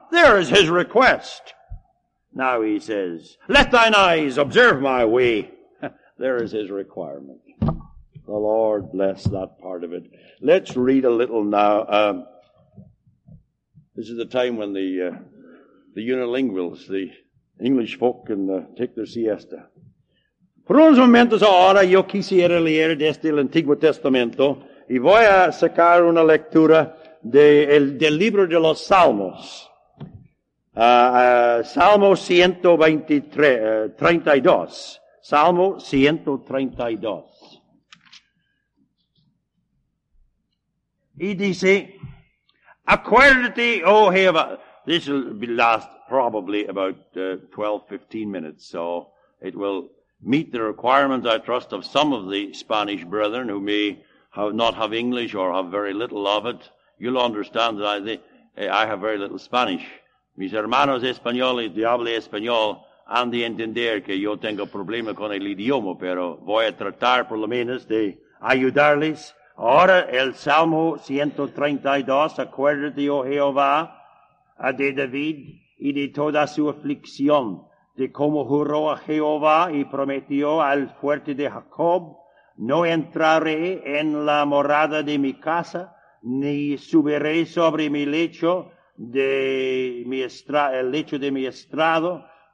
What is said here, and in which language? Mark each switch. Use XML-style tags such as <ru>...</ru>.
<en>There is his request. Now he says, let thine eyes observe my way. There is his requirement. The Lord bless that part of it. Let's read a little now. This is the time when the unilinguals, the English folk, can take their siesta.</en> <es>Pros momentos ahora yo quisiera leer desde el Antiguo Testamento y voy a sacar una lectura del libro de los Salmos. Salmo 132. Salmo 132. Y dice, acuérdate, oh Jehová.</es> <en>This will be last probably about 12, 15 minutes, so it will meet the requirements, I trust, of some of the Spanish brethren who may not have English or have very little of it. You'll understand that I have very little Spanish.</en> <es>Mis hermanos españoles, de habla español, han de entender que yo tengo problema con el idioma, pero voy a tratar por lo menos de ayudarles. Ahora el Salmo 132, acuérdate, oh Jehová, de David y de toda su aflicción, de cómo juró a Jehová y prometió al fuerte de Jacob, no entraré en la morada de mi casa, ni subiré sobre mi lecho de mi estrado,</es>